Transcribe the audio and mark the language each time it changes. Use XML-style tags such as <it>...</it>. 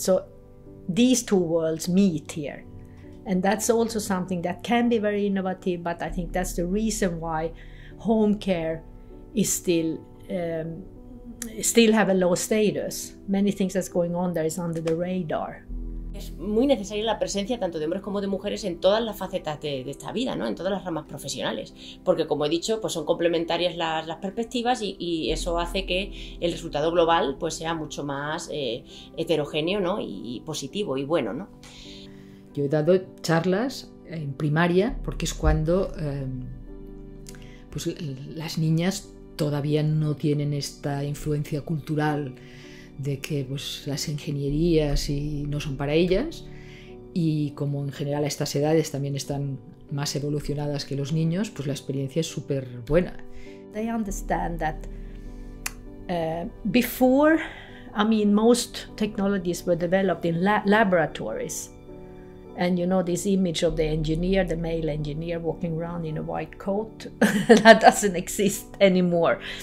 <en>So these two worlds meet here. And that's also something that can be very innovative, but I think that's the reason why home care is still have a low status. Many things that's going on there is under the radar.</en> <es>Es muy necesaria la presencia tanto de hombres como de mujeres en todas las facetas de esta vida, ¿no? En todas las ramas profesionales, porque como he dicho, pues son complementarias las perspectivas y eso hace que el resultado global pues sea mucho más heterogéneo, ¿no? Y positivo y bueno, ¿no? Yo he dado charlas en primaria porque es cuando pues las niñas todavía no tienen esta influencia cultural de que pues, las ingenierías y no son para ellas, y como en general a estas edades también están más evolucionadas que los niños, pues la experiencia es súper buena.</es> <en>They understand that before, I mean, most technologies were developed in laboratories. And you know this image of the engineer, the male engineer walking around in a white coat, that doesn't exist anymore.</en>